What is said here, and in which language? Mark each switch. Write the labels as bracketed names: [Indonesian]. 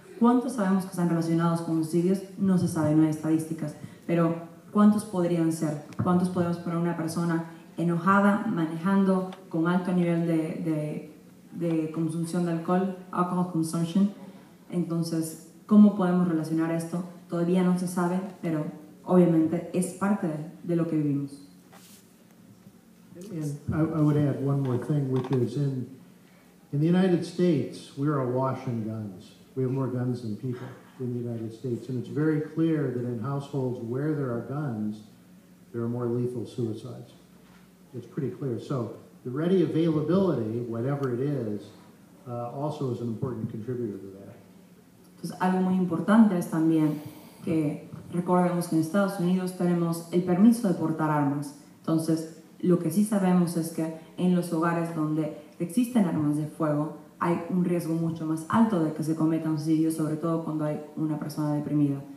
[Spanish] ¿Cuántos sabemos que están relacionados con suicidios? No se sabe, no hay estadísticas. Pero, ¿cuántos podrían ser? ¿Cuántos podemos poner una persona enojada, manejando con alto nivel de consumción de alcohol, [English] alcohol consumption. [Spanish] Entonces, ¿cómo podemos relacionar esto? Todavía no se sabe, pero obviamente es parte de lo que vivimos. [English] And I would add one more thing, which is in the United States, we are awash in guns. We have more guns than people in the United States. And it's very clear that in households where there are guns, there are more lethal suicides. It's pretty clear. So the ready availability, whatever it is, also is an important contributor to that. [Spanish] Entonces, algo muy importante es también que recordemos que en Estados Unidos tenemos el permiso de portar armas. Entonces, lo que sí sabemos es que en los hogares donde existen armas de fuego, hay un riesgo mucho más alto de que se cometa un suicidio, sobre todo cuando hay una persona deprimida.